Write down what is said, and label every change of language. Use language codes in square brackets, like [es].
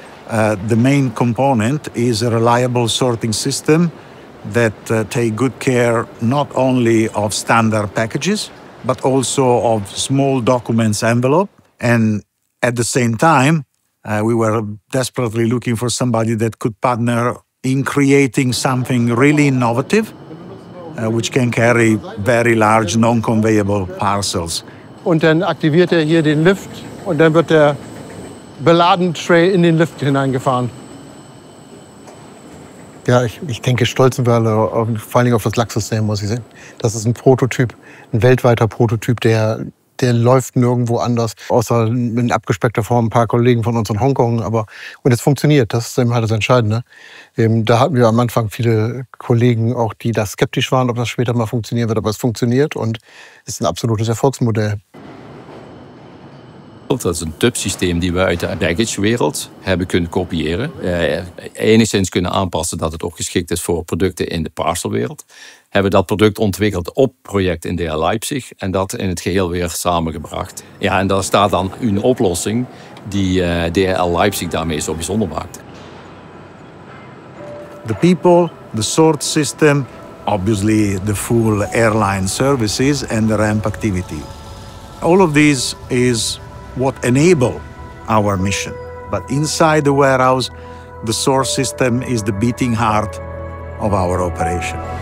[en] The main component is a reliable sorting system that take good care not only of standard packages, but also of small documents envelope. And at the same time, we were desperately looking for somebody that could partner in creating something really innovative, which can carry very large non-conveyable parcels. [de] Und dann aktiviert hier den Lift und dann wird der beladen Tray in den Lift hineingefahren. Ja, ich denke, stolz sind wir alle, vor allem auf das Lux-System, muss ich sagen. Das ist ein Prototyp, ein weltweiter Prototyp, der läuft nirgendwo anders, außer in abgespeckter Form ein paar Kollegen von uns in Hongkong. Aber, und es funktioniert, das ist eben halt das Entscheidende. Da hatten wir am Anfang viele Kollegen auch, die da skeptisch waren, ob das später mal funktionieren wird, aber es funktioniert und ist ein absolutes Erfolgsmodell. [nl] Dat is een tubsysteem die we uit de baggagewereld hebben kunnen kopiëren. Enigszins kunnen aanpassen dat het ook geschikt is voor producten in de parcelwereld. Hebben dat product ontwikkeld op project in DHL Leipzig en dat in het geheel weer samengebracht. Ja, en daar staat dan een oplossing die DHL Leipzig daarmee zo bijzonder maakt. [en] The people, the sort system, obviously the full airline services and the ramp activity. All of these is what enable our mission. But inside the warehouse, the source system is the beating heart of our operation.